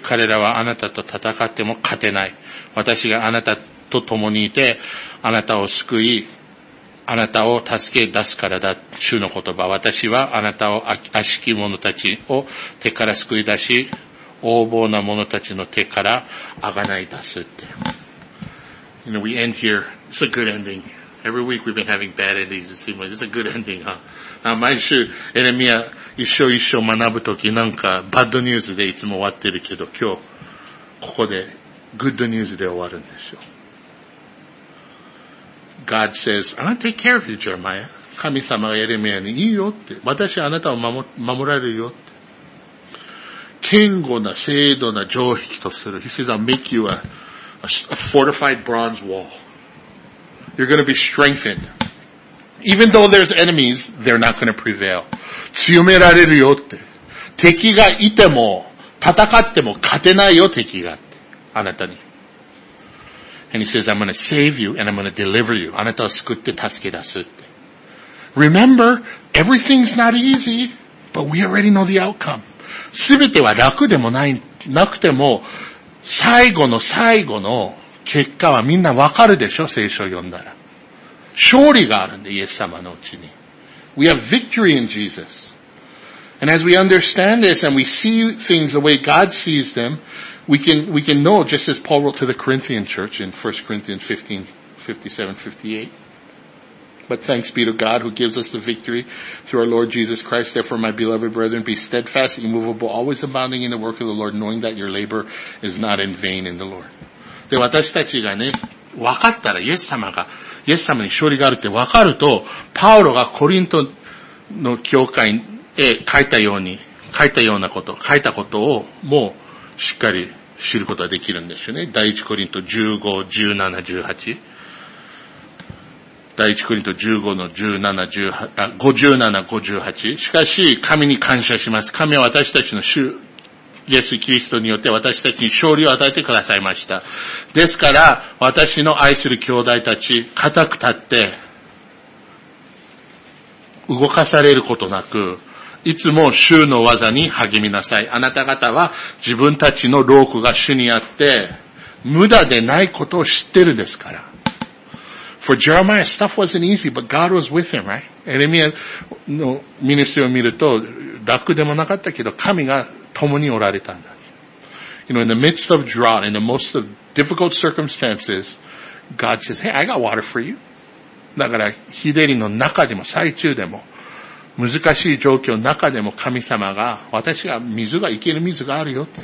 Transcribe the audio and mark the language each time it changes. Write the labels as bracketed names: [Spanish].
[Japanese] 彼らはあなたと戦っても勝てない。私があなたと共にいて、あなたを救い、あなたを助け出すからだ。主の言葉。私はあなたを、悪しき者たちを手から救い出し、横暴な者たちの手から贖い出すって。 [English] You know, we end here. It's a good ending. Every week we've been having bad endings, it seems like. It's a good ending, huh? [Japanese] 毎週、エレミア一生一生学ぶときなんか、バッドニュースでいつも終わってるけど、今日、ここで、グッドニュースで終わるんでしょう。 [English] God says, I'll take care of you, Jeremiah. [Japanese] 神様がエレミアに、いいよって。私はあなたを守られるよって。堅固な精度な城壁とする。 [English] He says, I'll make you a fortified bronze wall. You're going to be strengthened. Even though there's enemies, they're not going to prevail. [Japanese] 強められるよって。敵がいても、戦っても勝てないよ敵がって。あなたに。 [English] And he says, I'm going to save you and I'm going to deliver you. [Japanese] あなたを救って助け出すって。 [English] Remember, everything's not easy, but we already know the outcome. [Japanese] すべては楽でもない、なくても、最後の最後の結果はみんなわかるでしょ、聖書を読んだら。勝利があるんで、イエス様のうちに。 [English] We have victory in Jesus. And as we understand this and we see things the way God sees them, we can know, just as Paul wrote to the Corinthian church in 1 Corinthians 15, 57, 58. But thanks be to God who gives us the victory through our Lord Jesus Christ. Therefore, my beloved brethren, be steadfast, immovable, always abounding in the work of the Lord, knowing that your labor is not in vain in the Lord. [Japanese] で、私たちがね、分かったら、イエス様が、イエス様に勝利があるって分かると、パウロがコリントの教会へ書いたように、書いたようなこと、書いたことをもうしっかり知ることができるんですよね。第一コリント15、17、18。第一コリント15の17、58。しかし、神に感謝します。神は私たちの主、イエス・キリストによって私たちに勝利を与えてくださいました。ですから、私の愛する兄弟たち、固く立って、動かされることなく、いつも主の技に励みなさい。あなた方は自分たちの労苦が主にあって、無駄でないことを知ってるんですから。 [English] For Jeremiah, stuff wasn't easy, but God was with him, right? [Japanese] エレミアのミニストリーを見ると、楽でもなかったけど、神が共におられたんだ。 [English] You know, in the midst of drought, in the most difficult circumstances, God says, hey, I got water for you. [Japanese] だから、日照りの中でも、最中でも、難しい状況の中でも神様が、私が水が、生ける水があるよ。